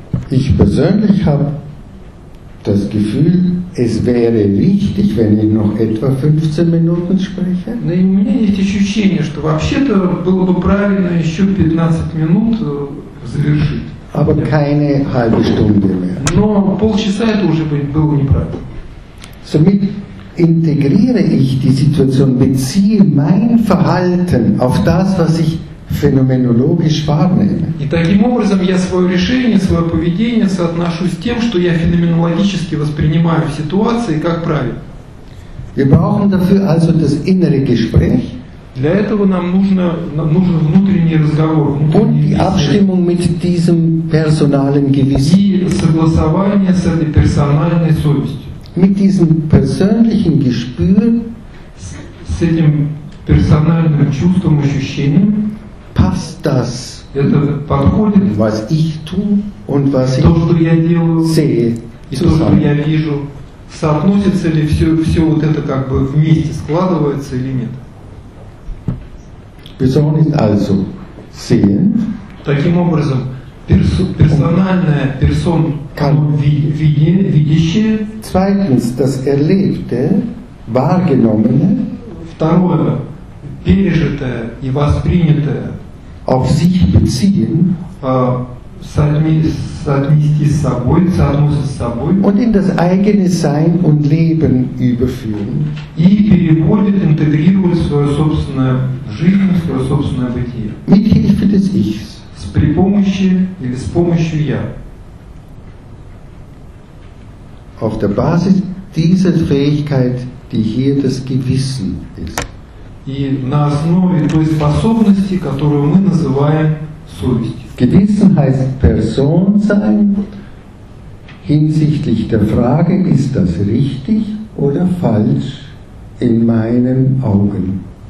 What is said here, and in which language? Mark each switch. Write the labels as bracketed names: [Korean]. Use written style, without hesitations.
[German] Ich persönlich habe das Gefühl, es wäre wichtig, wenn ich noch etwa 15 Minuten spreche. [Russian] Но у меня есть ощущение, что вообще-то было бы правильно еще 15 минут завершить. [German] Aber keine halbe Stunde mehr. [Russian] Но полчаса это уже было неправильно. [German] Somit integriere ich die Situation, beziehe mein Verhalten auf das, was ich phänomenologisch wahrnehme. [Russian] И таким образом я свое решение, свое поведение соотношу с тем, что я феноменологически воспринимаю в ситуации как правильно. [German] Wir brauchen dafür also das innere Gespräch. [Russian] Для этого нам нужен внутренний разговор. [German] Und die Abstimmung mit diesem personalen Gewissen. [Russian] И согласование с этой персональной совестью. [German] Mit diesem persönlichen Gespür. [Russian] С этим персональным чувством, ощущением. [German] Passt das, [Russian] это подходит, [German] was ich tue und was [Russian] то, что я делаю, [German] sehe, [Russian] и то, что я вижу, соотносится ли все вот это как бы вместе складывается или нет? [German] Person ist also sehen. [Russian] Таким образом, персональная персон видящая. [German] Zweitens, das Erlebte, Wahrgenommene. [Russian] Второе, пережитое и воспринятое. [German] Auf sich beziehen. [Russian] Соотнести с собой, соотносить с собой. [German] Und in das eigene Sein und Leben überführen. [Russian] И переводит, интегрирует в свою собственную жизнь, в свое собственное бытие. [German] Mit Hilfe des Ichs. [Russian] При помощи или с помощью я. [German] Auf der Basis dieser Fähigkeit, die hier das Gewissen ist. [Russian] И на основе той способности, которую мы называем совестью. [German] Gewissen heißt Person sein hinsichtlich der Frage, ist das richtig oder falsch in meinen Augen.